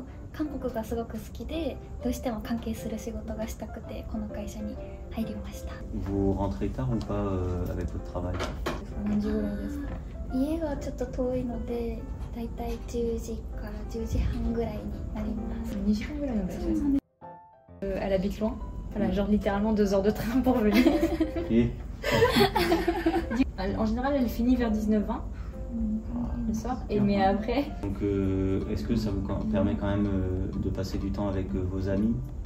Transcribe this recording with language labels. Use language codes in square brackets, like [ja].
[ja] 韓国がすごく好きで、どうしても関係する仕事がしたくて、この会社に入りました。 [fr] Vous rentrez tard ou pas avec votre travail? [ja] 何時ぐらいですか？家がちょっと遠いので、だいたい10時から10時半ぐらいになります。 2時間ぐらいの場所ですね。 [fr] Elle habite loin? Voilà, genre littéralement 2 heures de train pour venir. Oui. En général, elle finit vers 19-20. Le soir, et mais après. Donc, est-ce que ça vous permet quand même de passer du temps avec vos amis?